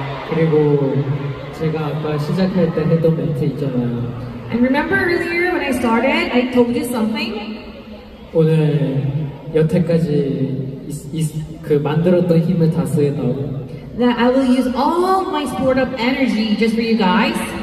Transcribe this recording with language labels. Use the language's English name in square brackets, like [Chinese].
[Korean] 그리고 제가 아까 시작할 때 했던 멘트 있잖아요. [English] And remember earlier when I started, I told you something? [Korean] 오늘 여태까지 그 만들었던 힘을 다 쓰겠다고. [English] That I will use all my stored up energy just for you guys.